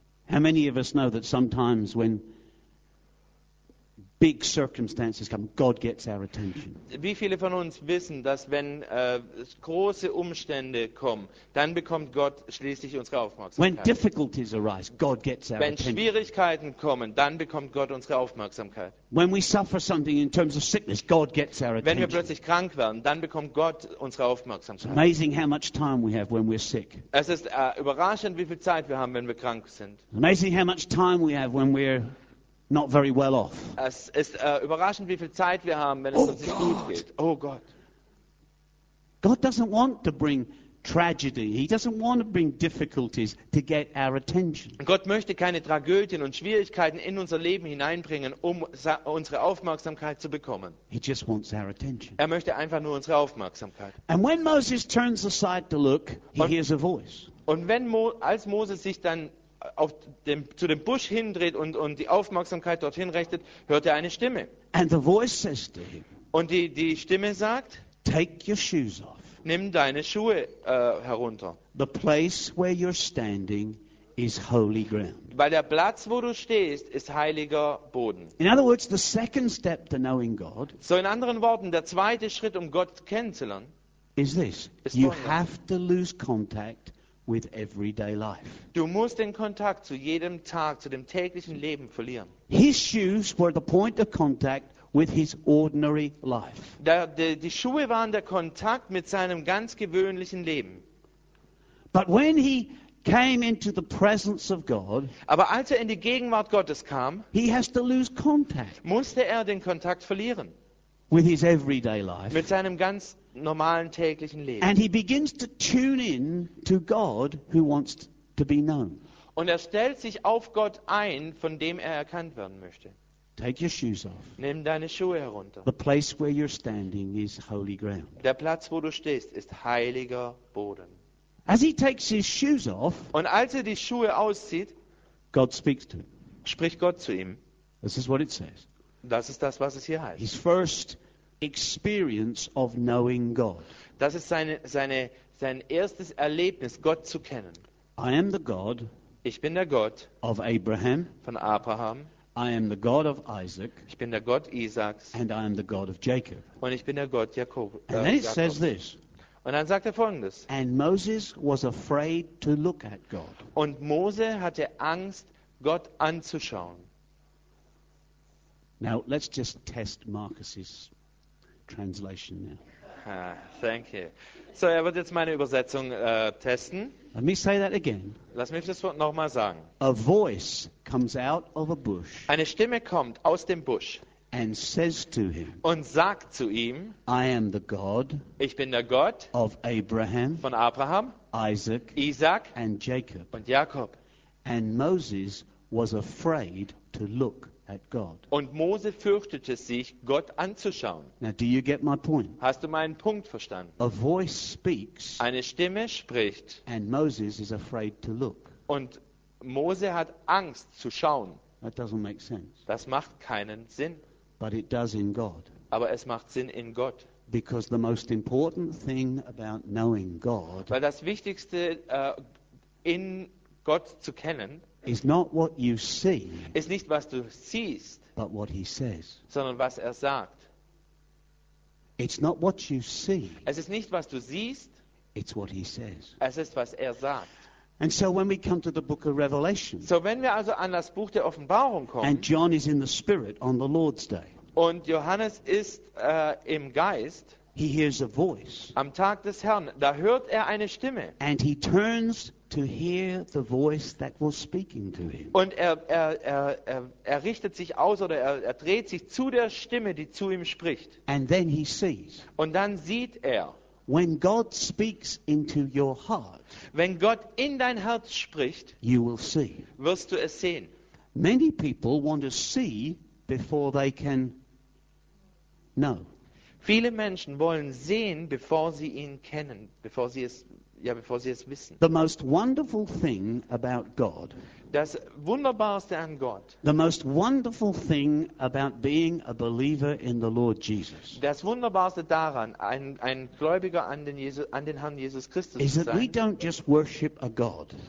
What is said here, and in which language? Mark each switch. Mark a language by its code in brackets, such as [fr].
[en] How many of us know that sometimes when big circumstances come, God gets our attention? [de] Wie viele von uns wissen, dass wenn große Umstände kommen, dann bekommt Gott schließlich unsere Aufmerksamkeit? [en] When difficulties arise, God gets our attention. [de] Wenn Schwierigkeiten kommen, dann bekommt Gott unsere Aufmerksamkeit. [en] When we suffer something in terms of sickness, God gets our attention. [de] Wenn wir plötzlich krank werden, dann bekommt Gott unsere Aufmerksamkeit. [en] It's amazing how much time we have when we're sick. [de] Es ist überraschend, wie viel Zeit wir haben, wenn wir krank sind. [en] Amazing how much time we have when we're not very well off. [de] Es ist überraschend, wie viel Zeit wir haben, wenn es uns nicht gut geht. Oh Gott. [en] God doesn't want to bring tragedy. He doesn't want to bring difficulties to get our attention. [de] Gott möchte keine Tragödien und Schwierigkeiten in unser Leben hineinbringen, um unsere Aufmerksamkeit zu bekommen. [en] He just wants our attention. [de] Er möchte einfach nur unsere Aufmerksamkeit. [en] And when Moses turns aside to look, he hears a voice. [de] Und wenn als Moses sich dann zu dem Busch hindreht und die Aufmerksamkeit dorthin richtet, hört er eine Stimme. [en] And the voice says to him, [de] und die Stimme sagt, [en] take your shoes off. [de] Nimm deine Schuhe herunter. [en] The place where you're standing is holy ground. [de] Weil der Platz, wo du stehst, ist heiliger Boden. [en] In other words, the second step to knowing God, [de] so in anderen Worten, der zweite Schritt, um Gott kennenzulernen, [en] is this. [de] Ist [en] you have to lose contact with everyday life. [de] Du musst den Kontakt zu jedem Tag, zu dem täglichen Leben verlieren. [en] His shoes were the point of contact with his ordinary life. [de] Die Schuhe waren der Kontakt mit seinem ganz gewöhnlichen Leben. [en] But when he came into the presence of God, [de] aber als er in die Gegenwart Gottes kam, [en] he has to lose contact. [de] Musste er den Kontakt verlieren. [en] With his everyday life. [de] Mit seinem ganz normalen täglichen Leben. [en] And he begins to tune in to God who wants to be known. [de] Und er stellt sich auf Gott ein, von dem er erkannt werden möchte. [en] Take your shoes off. [de] Nimm deine Schuhe herunter. [en] The place where you're standing is holy ground. [de] Der Platz, wo du stehst, ist heiliger Boden. [en] As he takes his shoes off, [de] und als er die Schuhe auszieht, [en] God speaks to him. [de] Spricht Gott zu ihm. [en] This is what it says. [de] Das ist das, was es hier heißt. [en] His first experience of knowing God. [de] Das ist sein erstes Erlebnis, Gott zu kennen. [en] I am the God. [de] Ich bin der Gott [en] of Abraham. [de] Von Abraham. [en] I am the God of Isaac. [de] Ich bin der Gott Isaaks. [en] And I am the God of Jacob. [de] Und ich bin der Gott Jakob. [en] And then it says this. [de] Und dann sagt er Folgendes. [en] And Moses was afraid to look at God. [de] Und Mose hatte Angst, Gott anzuschauen. [en] Now let's just test Marcus's translation now. Thank you. [de] So er wird jetzt meine Übersetzung testen. [en] Let me say that again. [de] Lass mich das noch mal sagen. [en] A voice comes out of a bush. [de] Eine Stimme kommt aus dem Busch. [en] And says to him. [de] Und sagt zu ihm. [en] I am the God. [de] Ich bin der Gott. [en] Of Abraham. [de] Von Abraham. [en] Isaac. [de] Isaac. [en] And Jacob. [de] Und Jakob. [en] And Moses was afraid to look. At God. [de] Und Mose fürchtete sich, Gott anzuschauen. [en] Now, do you get my point? [de] Hast du meinen Punkt verstanden? [en] A voice speaks, [de] eine Stimme spricht. [en] And Moses is afraid to look. [de] Und Mose hat Angst zu schauen. [en] That doesn't make sense. [de] Das macht keinen Sinn. [en] But it does in God. [de] Aber es macht Sinn in Gott. [en] Because the most important thing about knowing God, [de] weil das Wichtigste in Gott zu kennen, [en] is not what you see, [de] ist nicht, was du siehst, [en] but what he says. [de] Sondern was er sagt. [en] It's not what you see, [de] es ist nicht, was du siehst, [en] it's what he says. [de] Es ist, was er sagt. [en] And so when we come to the book of Revelation, [de] so wenn wir also an das Buch der Offenbarung kommen, [en] and John is in the Spirit on the Lord's Day, [de] und Johannes ist im Geist, [en] he hears a voice, [de] am Tag des Herrn, da hört eine Stimme, [en] and he turns to hear the voice that was speaking to him. [de] Und er richtet sich aus oder er dreht sich zu der Stimme, die zu ihm spricht. [en] And then he sees. [de] Und dann sieht er. [en] When God speaks into your heart, [de] wenn Gott in dein Herz spricht, [en] you will see. [de] Wirst du es sehen. [en] Many people want to see before they can know. [de] Viele Menschen wollen sehen, bevor sie ihn kennen, bevor sie es wissen. [en] The most wonderful thing about God. [de] Das Wunderbarste an Gott. [en] The most wonderful thing about being a believer in the Lord Jesus. [de] Das Wunderbarste daran, ein Gläubiger an den Jesus, an den Herrn Jesus Christus zu sein. [en] Is that we don't just worship a God.